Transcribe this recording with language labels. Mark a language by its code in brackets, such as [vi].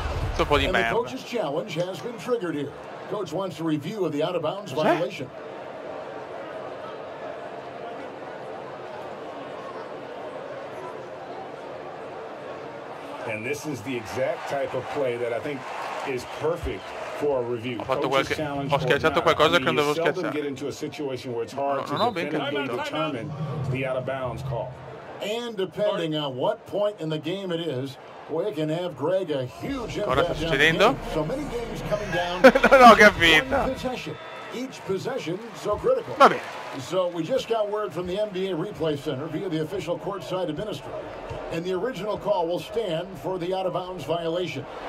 [en] It's [it] un po' di merda. [en] And the coach's challenge has been triggered here. Coach wants a review of the out of bounds violation. And this is the exact type of play that I think is perfect for a review. [it] Ho fatto qualche, ho schiacciato qualcosa che non dovevo schiacciare. Non ho ben capito. [en] The out of bounds call. And depending on what point in the game it is, we can have Greg a huge impact. [it] Cosa sta succedendo? [en] So many games coming down. [it] Non ho capito. [en] Each possession so critical. [it] Va bene. [en] So we just got word from the NBA Replay Center via the official courtside administrator, and the original call will stand for the out of bounds violation.